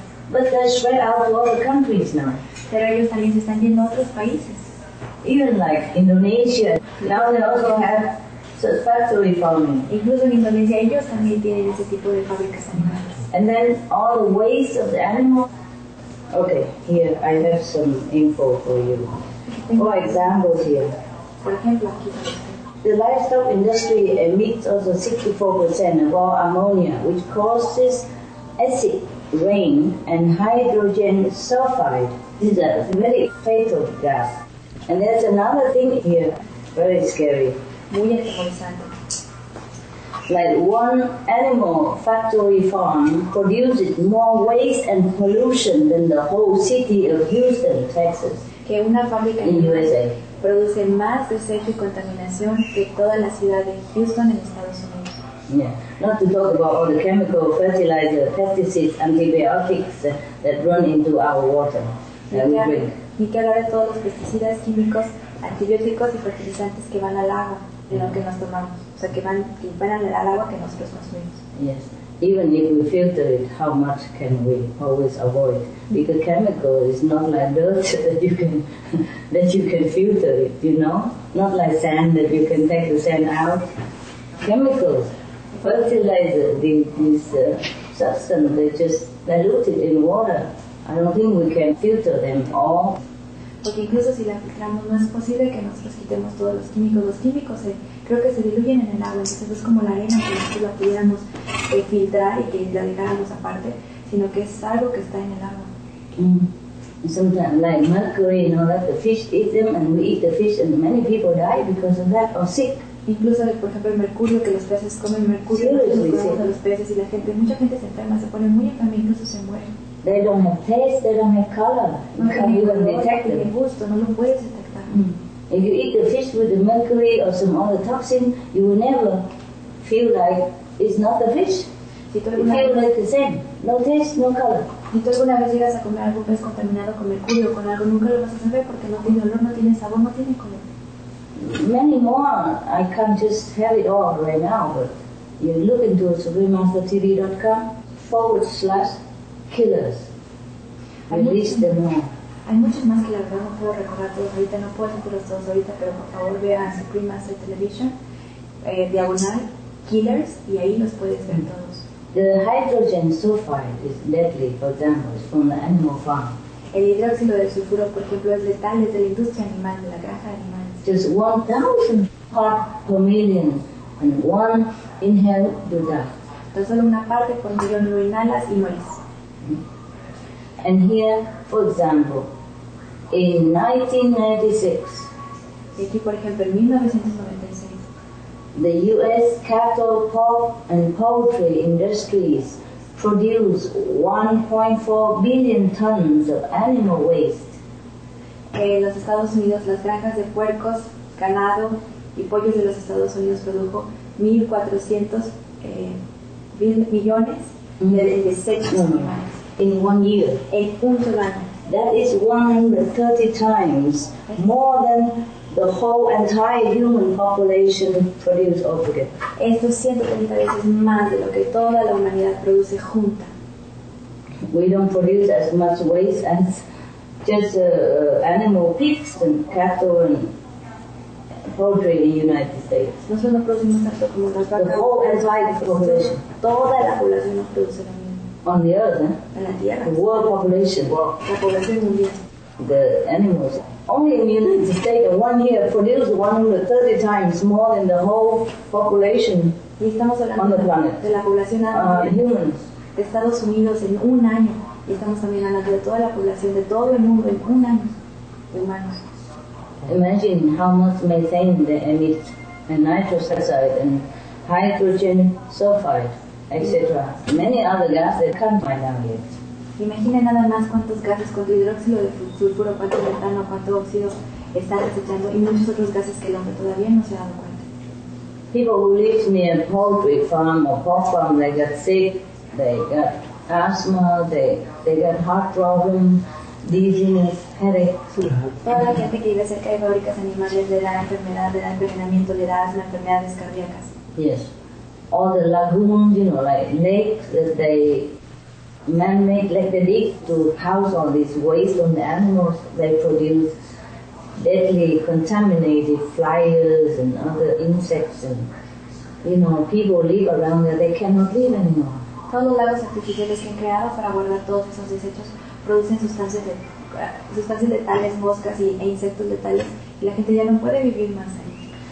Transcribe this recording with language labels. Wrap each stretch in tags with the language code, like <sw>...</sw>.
<en>But they're spread out to other countries now.</en> <es>Pero ellos también se están yendo a otros países.</es> <en>Even like Indonesia, now they also have such factory farming.</en> <es>Incluso en Indonesia ellos también tienen ese tipo de fábricas animales.</es> <en>And then all the waste of the animal. Okay, here I have some info for you. For examples here. For example, the livestock industry emits also 64% of all ammonia, which causes acid rain and hydrogen sulfide. This is a very fatal gas. And there's another thing here, very scary.</en> <es>Muy interesante.</es> <en>Like one animal factory farm produces more waste and pollution than the whole city of Houston, Texas.</en> <es>Que una fábrica</es> <en>in USA</en> <es>produce más desecho y contaminación que toda la ciudad de Houston en Estados Unidos.</es> <en>Yeah, not to talk about all the chemical fertilizer, pesticides, antibiotics that run into our water that we drink.</en> <es>Ni que hablar de todos los pesticidas químicos, antibióticos y fertilizantes que van al agua en lo que nos tomamos. O sea, que van al agua que nosotros consumimos.</es> <en>Yes. Even if we filter it, how much can we always avoid? Because chemical is not like dirt that you can filter it, you know? Not like sand that you can take the sand out. Chemicals, fertilizer, these substances, they just diluted in water. I don't think we can filter them all.</en> <es>Porque incluso si la filtramos, no es posible que nosotros quitemos todos los químicos. Los químicos creo que se diluyen en el agua, entonces es como la arena que nosotros la pudiéramos filtrar y que la dejáramos aparte, sino que es algo que está en el agua. Mm.</es> <en>Sometimes, like mercury, you know, that the fish eat them and we eat the fish and many people die because of that or sick.</en> <es>Incluso, por ejemplo, el mercurio, que los peces comen mercurio, sí. Los peces y la gente, mucha gente se enferma, se pone muy enferma, incluso se muere.</es> <en>They don't have taste, they don't have color. You can't even detect them.</en> <es>Gusto, no lo puedes detectar. Mm.</es> <en>If you eat the fish with the mercury or some other toxin, you will never feel like it's not the fish. You feel like the same. No taste, no color. Si tú alguna vez llegas a comer algún pez contaminado con mercurio o con algo, nunca lo vas a saber porque no tiene olor, no tiene sabor, no tiene color. Many more. I can't just tell it all right now, but you look into SupremeMasterTV.com. /killers.</en> <es>Hay muchos más que la verdad no puedo recordar todos ahorita, no puedo recordar todos ahorita, pero por favor vean Supreme Master Television, diagonal, Killers, y ahí los puedes ver todos.</es> <en>The hydrogen sulfide is deadly, for example, from the animal farm.</en> <es>El hidróxido de sulfuro, por ejemplo, es letal desde la industria animal, de la granja de animales.</es> <en>Just 1,000 parts per million, and one inhale, you die.</en> <es>Entonces solo una parte por millón lo inhalas y mueres.</es> <en>And here, for example, in 1996,</en> <es>y aquí, por ejemplo, en 1996,</es> <en>the U.S. cattle, pork and poultry industries produce 1.4 billion tons of animal waste.</en> <es>En los Estados Unidos, las granjas de puercos, ganado y pollos de los Estados Unidos produjo 1.400 billion millones de desechos animales.</es> <en>In 1 year.</en> <es>En un solo año.</es> <en>That is 130 times more than the whole entire human population produce altogether.</en> <es>Esto es 130 veces más de lo que toda la humanidad produce junta.</es> <en>We don't produce as much waste as just animal pigs and cattle and poultry in the United States.</en> <es>Nosotros no producimos tanto como las vacas.</es> <en>The whole entire population.</en> <es>Toda la población no produce la misma.</es> <en>On the earth, eh? The world population.</en> <es>La población mundial.</es> <en>The animals. Only in the United States in 1 year produce 130 times more than the whole population on the planet.</en> <es>De la población</es> <en>humans.</en> <es>De Estados Unidos en un año. Y estamos también hablando de toda la población de todo el mundo en un año. De humanos.</es> <en>Imagine how much methane they emit, and nitrous oxide, and hydrogen sulfide, etc. Many other gases they can't find out yet.</en> <es>Imagine nada más cuántos gases, cuánto hidróxido de sulfuro, cuánto metano, cuánto óxido está desechando y muchos otros gases que el hombre todavía no se ha dado cuenta.</es> <en>People who live near a poultry farm or pork farm, they get sick, they get asthma, they get heart problems, dizziness, headache.</en> <es>Toda la gente que vive cerca de fábricas animales le da enfermedad, le da envenenamiento, le da asma, enfermedades cardíacas.</es> <en>Yes. All the lagoons, you know, like lakes that they man-made, like they dig to house all this waste on the animals, they produce deadly contaminated flies and other insects and, you know, people live around there, they cannot live anymore.</en> <es>Todos los lagos artificiales que han creado para guardar todos esos desechos producen sustancias, de, sustancias letales, moscas y, e insectos letales y la gente ya no puede vivir más ahí.</es>